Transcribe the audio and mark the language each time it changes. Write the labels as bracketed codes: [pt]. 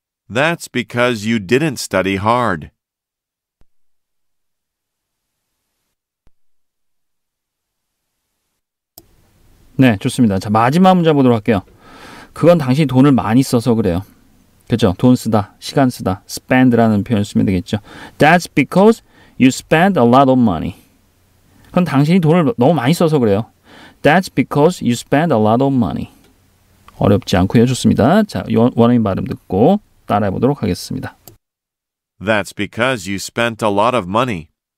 [en] That's because you didn't study hard. [ko] 네, 좋습니다. 자, 마지막 문장 보도록 할게요. 그건 당신이 돈을 많이 써서 그래요. 그죠? 돈 쓰다, 시간 쓰다, spend라는 표현 쓰면 되겠죠. [en] That's because you spend a lot of money. [ko] 그건 당신이 돈을 너무 많이 써서 그래요. [en] That's because you spend a lot of money. [ko] 어렵지 않고요. 좋습니다. 자, 원어민 발음 듣고 따라해 보도록 하겠습니다. [en] That's because you spent a lot of money.